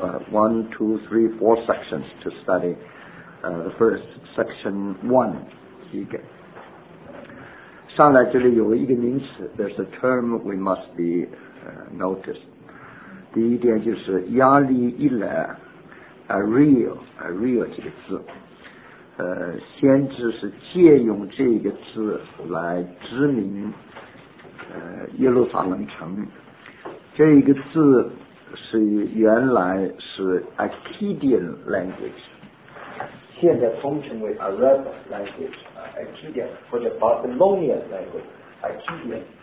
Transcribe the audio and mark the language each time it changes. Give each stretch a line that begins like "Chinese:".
English: one, two, three, four sections to study. The first section one,
Chinese: 第一个。上来这里有一个名词 ,
English: there's a term we must be noticed.
Chinese: 第一点就是压力一来 ,a real 这个字。先知是借用这个字来指明耶路撒冷城。这一个字是原来是 Akkadian language, 现在通称为 Arab language, Akkadian, 或者 Babylonian language, Akkadian.